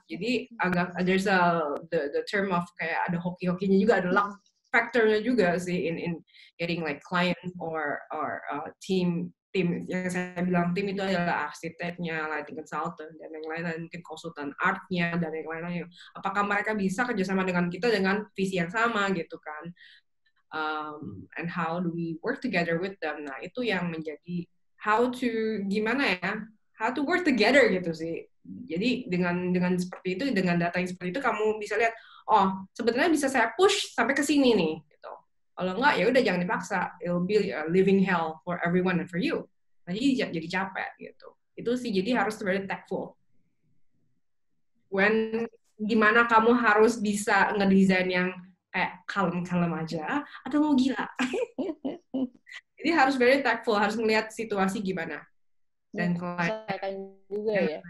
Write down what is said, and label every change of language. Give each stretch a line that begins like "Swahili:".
Indonesian: Jadi agak
English: there's a the term of
Indonesian: kayak ada hoki-hokinya juga, ada luck factor-nya juga sih
English: in getting like client or team
Indonesian: yang saya bilang tim itu adalah arsiteknya, lighting consultant dan yang lain-lain, mungkin konsultan art-nya dan yang lain-lain. Apakah mereka bisa kerjasama dengan kita dengan visi yang sama gitu kan?
English: And how do we work together with them?
Indonesian: Nah, itu yang menjadi
English: how to work together
Indonesian: gitu sih. Jadi dengan seperti itu, dengan data yang seperti itu, kamu bisa lihat, oh sebenarnya bisa saya push sampai ke sini nih. Gitu. Kalau enggak, ya udah jangan dipaksa.
English: It'll be a living hell for everyone and for you.
Indonesian: Jadi capek gitu. Itu sih jadi harus very tactful. When gimana kamu harus bisa ngedesain yang kalem-kalem aja, atau mau gila. Jadi harus very tactful, harus melihat situasi gimana. Dan kelihatan juga ya.